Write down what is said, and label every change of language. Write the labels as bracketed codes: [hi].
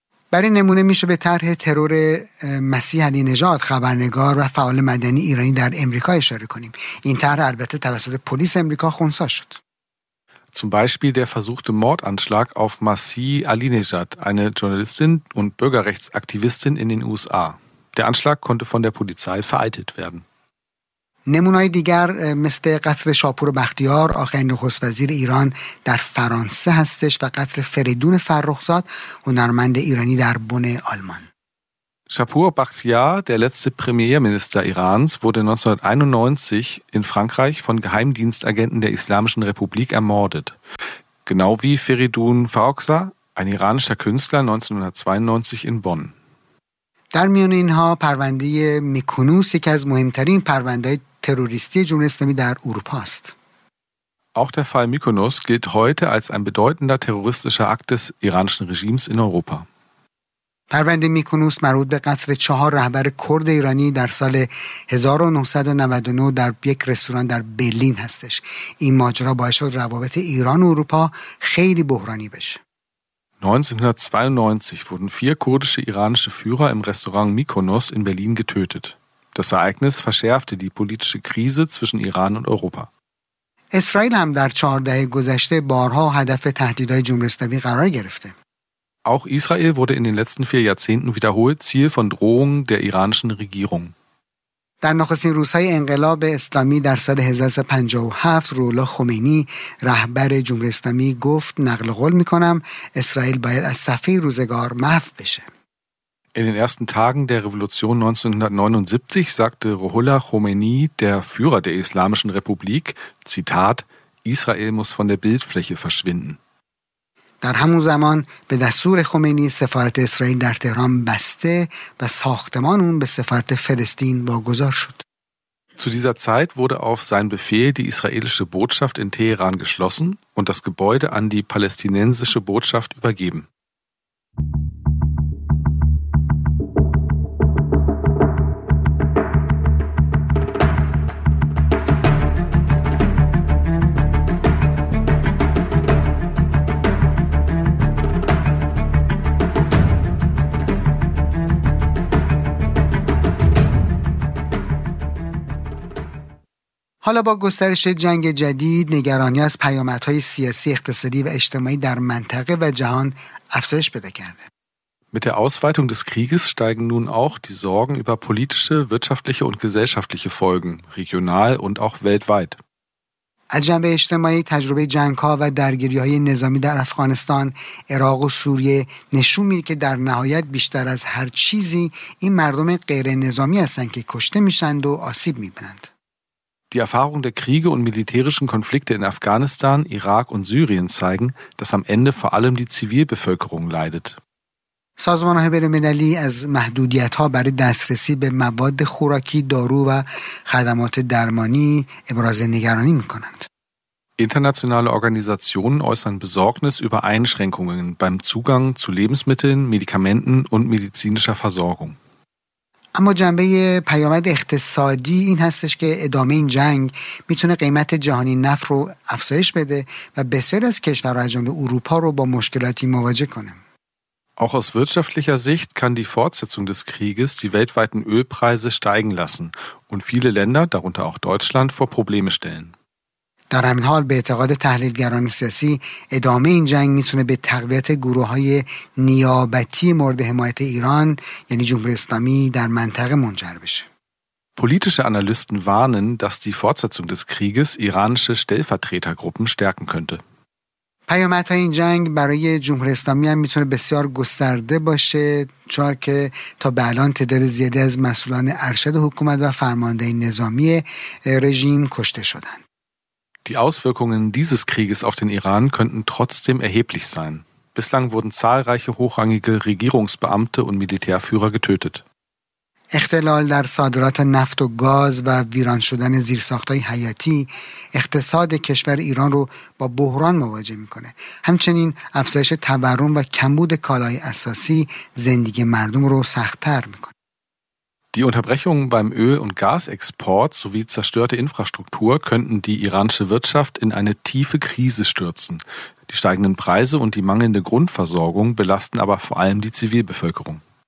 [fa] برای نمونه میشه به طرح ترور مسیح علی نژاد خبرنگار و فعال مدنی ایرانی در امریکا اشاره کنیم. این طرح البته توسط پلیس امریکا خونسا شد. [de] Zum Beispiel der versuchte Mordanschlag auf Masih Alinejad, eine Journalistin und Bürgerrechtsaktivistin in den USA. Der Anschlag konnte von der Polizei vereitelt werden. [fa] نمونه دیگر مثل قتل شاپور بختیار آخرین نخست وزیر ایران در فرانسه هستش و قتل فریدون فرخزاد هنرمند ایرانی در بن آلمان. [de] شاپور بختیار، der letzte Premierminister Irans, wurde 1991 in Frankreich von Geheimdienstagenten der Islamischen Republik ermordet. Genau wie Feridun Farrokhzad, ein iranischer Künstler 1992 in Bonn. [fa] در میان اینها پرونده میکونوس یکی از مهمترین پرونده‌های تروریستی جمهوری اسلامی در اروپا است. [de] Auch der Fall Mykonos gilt heute als ein bedeutender terroristischer Akt des iranischen Regimes in Europa. [fa] پرونده میکونوس مربوط به قتل 4 رهبر کرد ایرانی در سال 1999 در یک رستوران در برلین هستش. این ماجرا باعث شد روابط ایران و اروپا خیلی بحرانی بشه. [de] 1992 wurden 4 kurdische iranische Führer im Restaurant Mykonos in Berlin getötet. Das Ereignis verschärfte die politische Krise zwischen Iran und Europa. [fa] اسرائیل هم در 14 گذشته بارها هدف تهدیدهای جمهوری اسلامی قرار گرفته. [de] Auch Israel wurde in den letzten 4 Jahrzehnten wiederholt Ziel von Drohungen der iranischen Regierung. [fa] در نخستین روزهای انقلاب اسلامی در سال 1357 روح‌الله خمینی رهبر جمهوری اسلامی گفت نقل قول می‌کنم اسرائیل باید از صفحه روزگار محو بشه. [de] In den ersten Tagen der Revolution 1979 sagte Ruhollah Khomeini, der Führer der Islamischen Republik, Zitat, Israel muss von der Bildfläche verschwinden. [fa] در همون زمان به دستور خمینی سفارت اسرائیل در تهران بسته و ساختمان اون به سفارت فلسطین واگذار شد. [de] Zu dieser Zeit wurde auf sein Befehl die israelische Botschaft in Teheran geschlossen und das Gebäude an die palästinensische Botschaft übergeben. [fa] حالا با گسترش جنگ جدید، نگرانی از پیامدهای سیاسی، اقتصادی و اجتماعی در منطقه و جهان افزایش پیدا کرده. [de] Mit der Ausweitung des Krieges steigen nun auch die Sorgen über politische, wirtschaftliche und gesellschaftliche Folgen, regional und auch weltweit. [fa] از جنبه اجتماعی تجربه جنگ‌ها و درگیری‌های نظامی در افغانستان، عراق و سوریه نشون می‌دهد که در نهایت بیشتر از هر چیزی این مردم غیر نظامی هستند که کشته می‌شوند و آسیب می‌بینند. [de] Die Erfahrung der Kriege und militärischen Konflikte in Afghanistan, Irak und Syrien zeigen, dass am Ende vor allem die Zivilbevölkerung leidet. [fa] سازمان‌های بین‌المللی از محدودیت‌ها برای دسترسی به مواد خوراکی، دارو و خدمات درمانی ابراز نگرانی می‌کنند. [de] Internationale Organisationen äußern Besorgnis über Einschränkungen beim Zugang zu Lebensmitteln, Medikamenten und medizinischer Versorgung. [fa] اما جنبه پیامد اقتصادی این هستش که ادامه این جنگ میتونه قیمت جهانی نفت رو افزایش بده و بسیار از کشورها از جمله اروپا رو با مشکلاتی مواجه کنه. [de] Auch aus wirtschaftlicher Sicht kann die Fortsetzung des Krieges die weltweiten Ölpreise steigen lassen und viele Länder, darunter auch Deutschland, vor Probleme stellen. [fa] در همین حال به اعتقاد تحلیلگران سیاسی ادامه این جنگ میتونه به تقویت گروه‌های نیابتی مورد حمایت ایران یعنی جمهوری اسلامی در منطقه منجر بشه. [de] Politische Analysten warnen, dass die Fortsetzung des Krieges iranische Stellvertretergruppen stärken könnte. [fa] پیامدهای این جنگ برای جمهوری اسلامی هم میتونه بسیار گسترده باشه، چون که تا به الان تعداد زیادی از مسئولان ارشد حکومت و فرماندهی نظامی رژیم کشته شدند. [de] Die Auswirkungen dieses Krieges auf den Iran könnten trotzdem erheblich sein. Bislang wurden zahlreiche hochrangige Regierungsbeamte und Militärführer getötet. [fa] اختلال در صادرات نفت و گاز و ویران شدن زیرساخت‌های حیاتی اقتصاد کشور ایران رو با بحران مواجه می‌کنه. همچنین افزایش تورم و کمبود کالای اساسی زندگی مردم رو سخت‌تر می‌کنه. [de] Die Unterbrechungen beim Öl- und Gasexport sowie zerstörte Infrastruktur könnten die iranische Wirtschaft in eine tiefe Krise stürzen. Die steigenden Preise und die mangelnde Grundversorgung belasten aber vor allem die Zivilbevölkerung.